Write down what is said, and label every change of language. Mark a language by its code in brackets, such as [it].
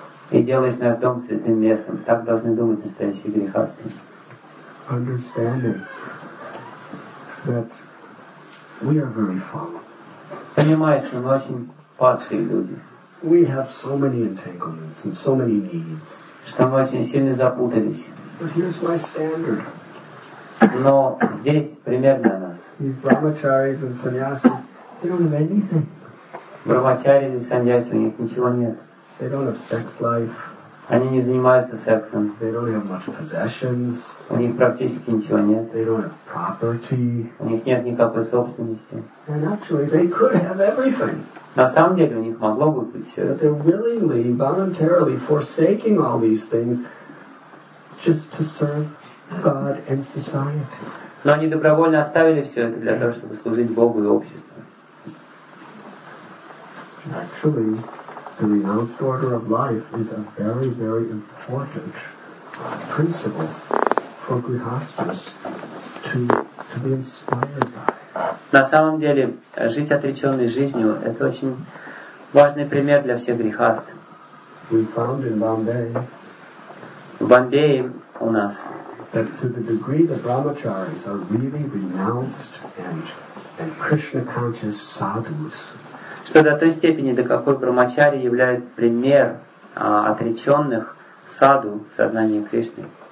[ru] И делаешь наш дом святым местом. Так должны думать настоящие грехасты. Понимаешь, что мы очень падшие люди. [en] We have so many entanglements and so many needs. [ru] Что мы очень сильно запутались. [en] But here's my standard. [ru] Но здесь пример для нас. [en] These brahmacharis and sannyasis, they don't have anything. [ru] Брахмачари или саньяси, у них ничего нет. [en] They don't have sex life. [ru] Они не занимаются сексом. [en] They don't have much possessions. [ru] У них практически ничего нет. [en] They don't have property. [ru] У них нет никакой собственности. [en] And actually, they could have everything. [ru] На самом деле у них могло бы быть все. [en] But they're willingly, voluntarily forsaking all these things just to serve God and society. [ru] Но они добровольно оставили все это для того, чтобы служить Богу и обществу. [en] Actually, the renounced order of life is a very, very important principle for grihasthas to be inspired by. [ru] На самом деле, жить отреченной жизнью — это очень важный пример для всех грихаст. [en] We found in Bombay. [ru] В Бомбее у нас. [en] That to the degree the brahmacharis are really renounced and Krishna conscious sadhus. [ru] Что до той степени, до какой брахмачари являют пример отреченных саду в сознании Кришны.